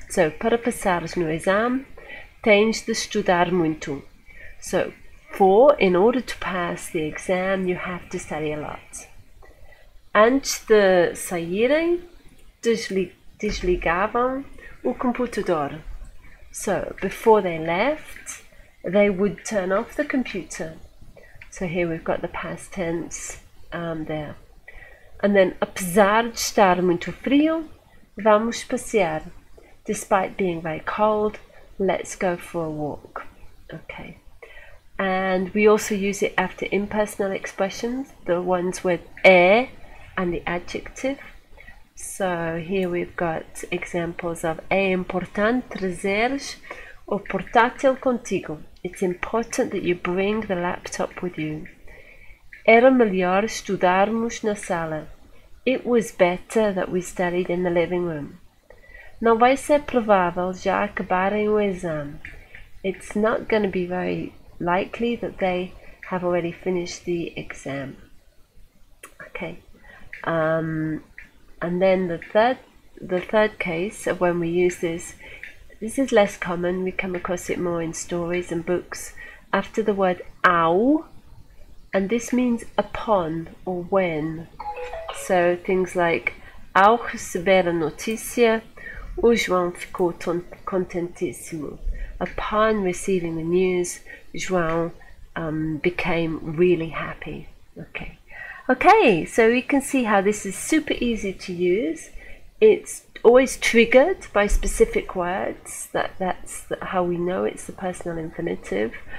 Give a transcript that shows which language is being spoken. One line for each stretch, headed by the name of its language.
Portuguese: So, para passar no exame, tens de estudar muito.
English: So, for, in order to pass the exam, you have to study a lot.
Portuguese: Antes de saírem, desligavam o computador.
English: So, before they left, they would turn off the computer. So here we've got the past tense there. And then,
Portuguese: apesar de estar muito frio, vamos passear.
English: Despite being very cold, let's go for a walk. Okay. And we also use it after impersonal expressions, the ones with é and the adjective. So here we've got examples of
Portuguese: é importante trazeres o portátil contigo.
English: It's important that you bring the laptop with you.
Portuguese: Era melhor estudarmos na sala.
English: It was better that we studied in the living room.
Portuguese: Não vai ser provável já acabarem o exame.
English: It's not going to be very likely that they have already finished the exam. Okay. And then the third case of when we use this. This is less common, we come across it more in stories and books. After the word ao, and this means upon or when. So things like,
Portuguese: ao receber a notícia, o João ficou contentíssimo.
English: Upon receiving the news, João became really happy. Okay, so you can see how this is super easy to use. It's always triggered by specific words, that's how we know it's the personal infinitive.